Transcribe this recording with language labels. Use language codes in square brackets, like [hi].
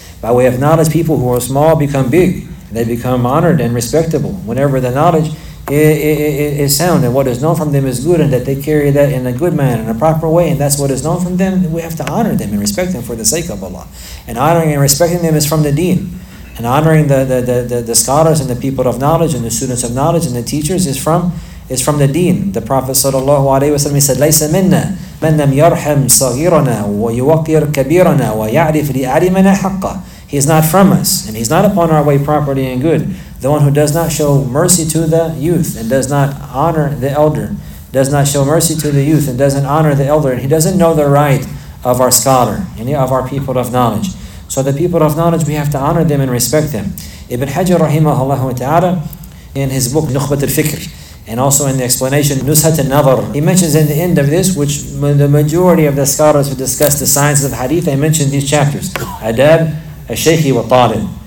[en] By way of knowledge, people who are small become big. They become honored and respectable whenever the knowledge is sound and what is known from them is good, and that they carry that in a good manner, in a proper way, and that's what is known from them. We have to honor them and respect them for the sake of Allah. And honoring and respecting them is from the deen. And honoring the scholars and the people of knowledge and the students of knowledge and the teachers is from the deen. The Prophet [ar] sallallahu alaihi wasallam said, لَيْسَ مِنَّا مَنْ لَمْ يَرْحَمْ صَغِيرَنَا وَيُوَقِّرْ كَبِيرَنَا وَيَعْرِفْ لِأَلِمَنَا حَقَّ. [en] He is not from us, and he's not upon our way properly and good. The one who does not show mercy to the youth and does not honor the elder, does not show mercy to the youth and doesn't honor the elder, and he doesn't know the right of our scholar, any of our people of knowledge. So the people of knowledge, we have to honor them and respect them. Ibn Hajar rahimahullah ta'ala, in his book Nukhbat al-Fikr, and also in the explanation Nushat al-Nadhar, he mentions in the end of this, which the majority of the scholars who discuss the sciences of Hadith, they mention these chapters, Adab al-Shaykhi wa Talib.